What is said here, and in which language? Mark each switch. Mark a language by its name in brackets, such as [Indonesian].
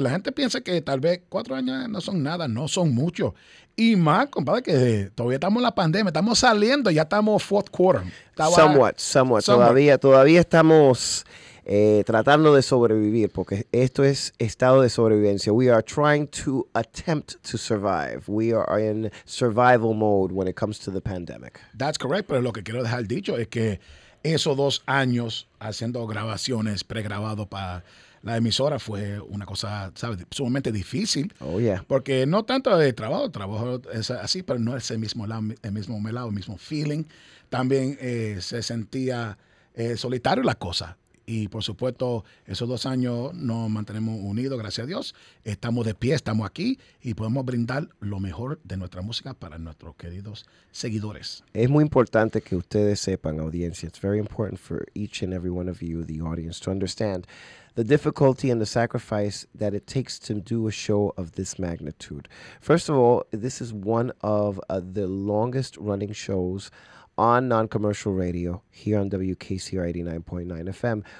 [Spanish] La gente piensa que tal vez 4 años no son nada, no son muchos. Y más, compadre, que todavía estamos en la pandemia, estamos saliendo, ya estamos fourth quarter. Somewhat. Todavía estamos... tratando de sobrevivir, porque esto es estado de sobrevivencia. [English] We are trying to attempt to survive. We are in survival mode when it comes to the pandemic. That's correct, [Spanish] pero lo que quiero dejar dicho es que esos 2 años haciendo grabaciones pregrabado para la emisora fue una cosa, ¿sabes?, sumamente difícil. [English] Oh, yeah. [Spanish] Porque no tanto de trabajo es así, pero no es el mismo feeling. También se sentía solitario la cosa. Y, por supuesto, esos 2 años nos mantenemos unidos, gracias a Dios. Estamos de pie, estamos aquí y podemos brindar lo mejor de nuestra música para nuestros queridos seguidores. Es muy importante que ustedes sepan, audiencia, [English] it's very important for each and every one of you, the audience, to understand the difficulty and the sacrifice that it takes to do a show of this magnitude. First of all, this is one of the longest running shows on non-commercial radio here on WKCR 89.9 FM.